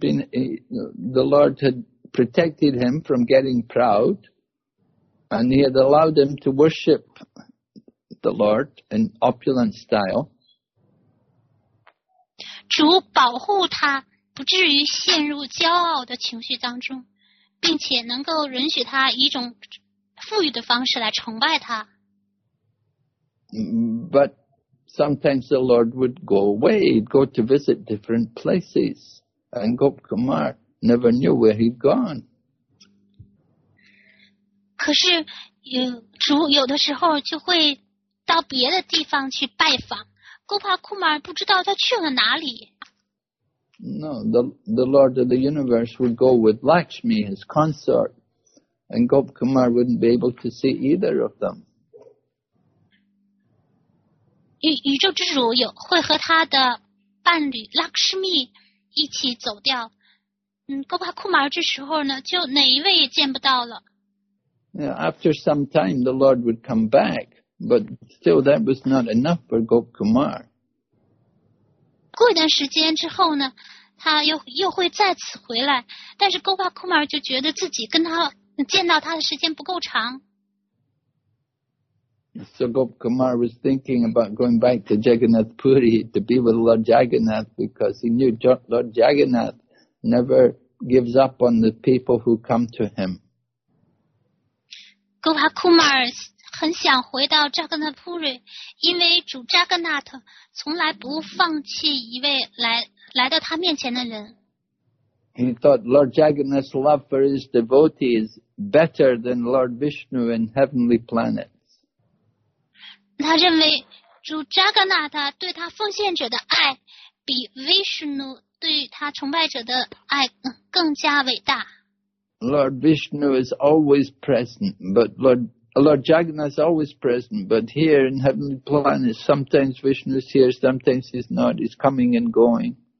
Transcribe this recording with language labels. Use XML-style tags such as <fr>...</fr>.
<en>The Lord had protected him from getting proud, and he had allowed him to worship the Lord in opulent style.</en> <zh>主保护他，不至于陷入骄傲的情绪当中，并且能够允许他以一种富裕的方式来崇拜他。</zh> <en>But sometimes the Lord would go away, he'd go to visit different places, and Gop Kumar never knew where he'd gone.</en> <zh>可是主有的时候就会到别的地方去拜访， Gop Kumar 不知道他去了哪里。</zh> <en>No, the Lord of the universe would go with Lakshmi, his consort, and Gop Kumar wouldn't be able to see either of them.</en> <zh>宇宙之主有会和他的伴侣 Lakshmi 一起走掉，哥帕库马尔这时候呢，就哪一位也见不到了。</zh> <en>Yeah, after some time, the Lord would come back, but still that was not enough for Gop Kumar.</en> <zh>过一段时间之后呢，他又会再次回来，但是哥帕库马尔就觉得自己跟他见到他的时间不够长。</zh> <en>So Gop Kumar was thinking about going back to Jagannath Puri to be with Lord Jagannath because he knew Lord Jagannath never gives up on the people who come to him.</en> <zh>Gop Kumar 很想回到 Jagannath Puri, 因为主 Jagannath 从来不放弃一位 来到他面前的人。</zh> <en>He thought Lord Jagannath's love for his devotees is better than Lord Vishnu in heavenly planet.</en> <zh>他认为主扎格纳塔对他奉献者的爱比维什努对他崇拜者的爱更加伟大。</zh> <en>Lord Vishnu is always present, but Lord Jagannath is always present, but here in heavenly planets, sometimes Vishnu is here, sometimes he's not, he's coming and going.</en>